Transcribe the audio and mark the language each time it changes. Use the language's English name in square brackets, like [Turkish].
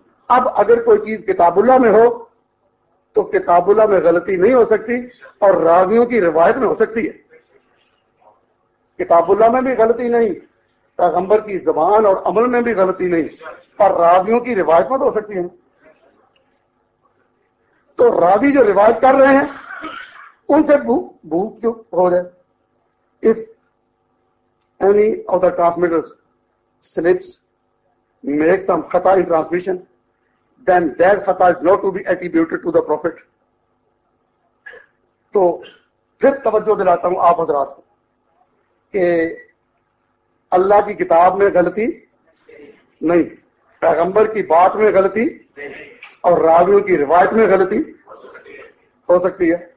[Urdu] اب اگر کوئی چیز کتاب اللہ میں ہو تو کتاب اللہ میں غلطی نہیں ہو سکتی، اور راویوں کی روایت میں ہو سکتی ہے. کتاب اللہ میں بھی غلطی نہیں، پیغمبر کی زبان اور عمل میں بھی غلطی نہیں، پر راویوں کی روایت میں تو ہو سکتی ہے. تو راوی جو روایت کر رہے ہیں ان سے بھوک کیوں ہو جائے؟ [English] If any of the transmitters slips, makes some khata in transmission, then their khata is not to be attributed to the prophet. [Urdu] تو پھر توجہ دلاتا ہوں آپ حضرات کو کہ اللہ کی کتاب میں غلطی نہیں، پیغمبر کی بات میں غلطی اور راویوں کی روایت میں غلطی ہو سکتی ہے.